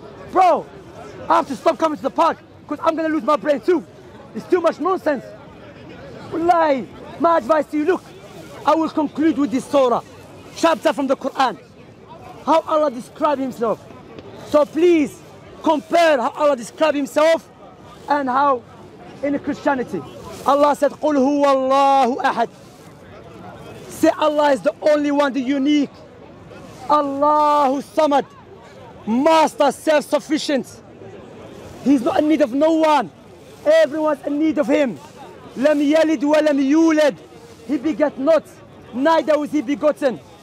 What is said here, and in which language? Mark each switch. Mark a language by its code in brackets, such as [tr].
[en] Bro, I have to stop coming to the park. Because I'm going to lose my brain too. It's too much nonsense. Wallahi, my advice to you, look, I will conclude with this Torah, chapter from the Quran, how Allah describes himself. So please compare how Allah describes himself and how in Christianity. Allah said, [ar] قُلْ هُوَ اللَّهُ أَحَدْ. [en] Say Allah is the only one, the unique. Allahu Samad, master, self-sufficient. He's not in need of no one. Everyone's in need of him. [ar] لَمْ يَلِدْ وَلَمْ يُولَدْ. [en] He begat not, neither was he begotten.